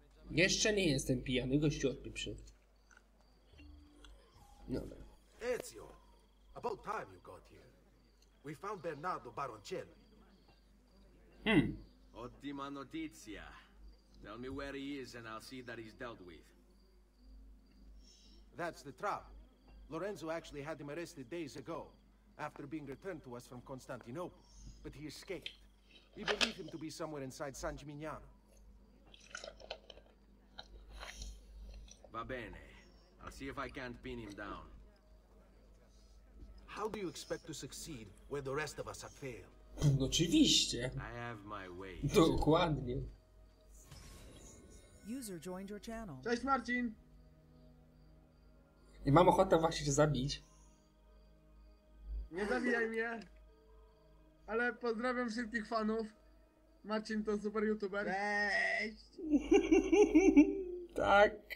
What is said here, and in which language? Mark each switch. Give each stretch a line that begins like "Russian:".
Polish: Jeszcze nie jestem pijany, gościu odpieprzy. Dobra.
English: Ezio, about time you got here. We found Bernardo Baroncelli.
Italian: Ottima notizia.
English: Tell me where he is and I'll see that he's dealt with. That's the trap. Lorenzo actually had him arrested days ago, after being returned to us from Constantinople. But he escaped. We believe him to be somewhere inside San Gimignano.
Italian: Va bene.
English: I'll see if I can't pin him down. How do you expect to succeed where the rest of us have failed?
Polish: No, oczywiście.
English: I have my way.
Polish: Dokładnie.
English: User joined your channel.
Polish: Cześć, Marcin. I mam ochotę właśnie się zabić. Nie zabijaj mnie. Ale pozdrawiam wszystkich fanów. Marcin to super youtuber. Cześć. Tak.